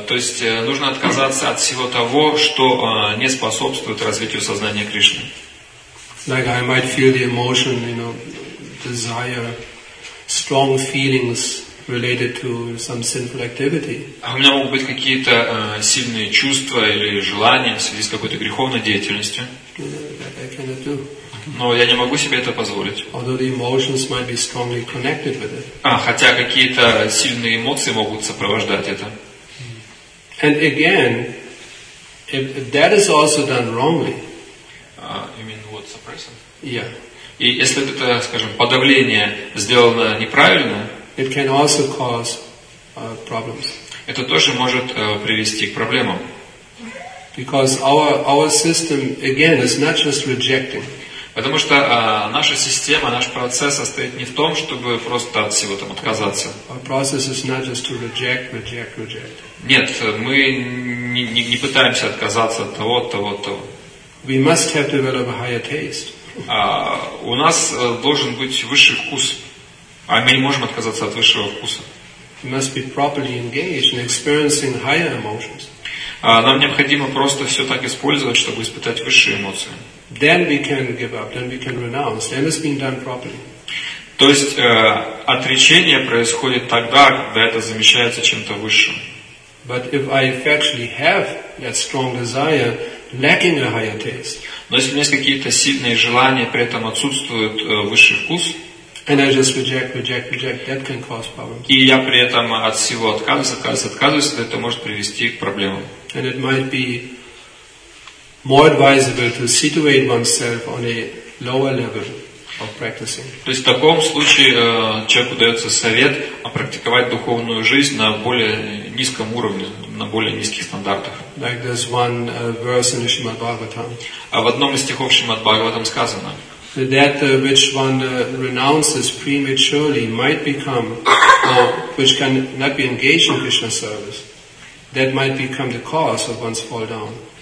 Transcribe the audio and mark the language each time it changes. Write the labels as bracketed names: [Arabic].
[Russian] То есть нужно отказаться от всего того, что не способствует развитию сознания Кришны. [English] Like I might feel the emotion, you know, desire, strong feelings related to some sinful activity. [Russian] А у меня могут быть какие-то сильные чувства или желания в связи с какой-то греховной деятельностью. [English] I cannot do. [Russian] Но я не могу себе это позволить. Хотя какие-то сильные эмоции могут сопровождать это. [English] And again, if that is also done wrongly. You mean what, suppressing? Yeah. [Russian] И если это, скажем, подавление сделано неправильно, [English] it can also cause problems. [Russian] Это тоже может привести к проблемам. [English] Because our system again is not just rejecting. [Russian] Потому что наша система, наш процесс состоит не в том, чтобы просто от всего там отказаться. [English] Our process is not just to reject, reject, reject. [Russian] Нет, мы не пытаемся отказаться от того, от того, от того. [English] We must have developed a higher taste. [Russian] У нас должен быть высший вкус. А мы не можем отказаться от высшего вкуса. [English] We must be properly engaged in experiencing higher emotions. [Russian] Нам необходимо просто все так использовать, чтобы испытать высшие эмоции. [English] Then we can give up, then we can renounce, then it's been done properly. [Russian] То есть отречение происходит тогда, когда это замещается чем-то высшим. [English] But if I actually have that strong desire, lacking a higher taste. [Russian] Но если у меня есть какие-то сильные желания, при этом отсутствует высший вкус. [English] And I just reject, that can cause problems. [Russian] И я при этом от всего отказываюсь, это может привести к проблемам. [English] And it might be more advisable to situate oneself on a lower level of practicing. [Russian] То есть в таком случае человеку дается совет практиковать духовную жизнь на более низком уровне, на более низких стандартах. [English] Like there's one verse in Shrimad Bhagavatam. [Russian] А в одном из стихов Шримад Бхагаватам сказано. [English] That which one renounces prematurely might become, which can not be engaged in Krishna service, that might become the cause of one's fall down.